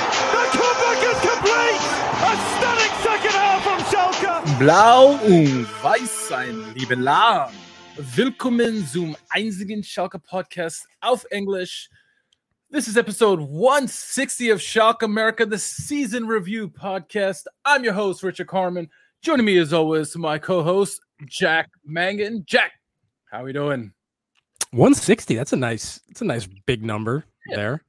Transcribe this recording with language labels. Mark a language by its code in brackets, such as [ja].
[en] The comeback is complete! A stunning second half from Schalke! [de] Blau und Weiß sein, liebe Lahn! Willkommen zum einzigen Schalke Podcast auf Englisch. [en] This is episode 160 of Schalke America, the season review podcast. I'm your host, Richard Carmen. Joining me as always, my co-host, Jack Mangan. Jack, how are we doing? 160, that's a nice big number there.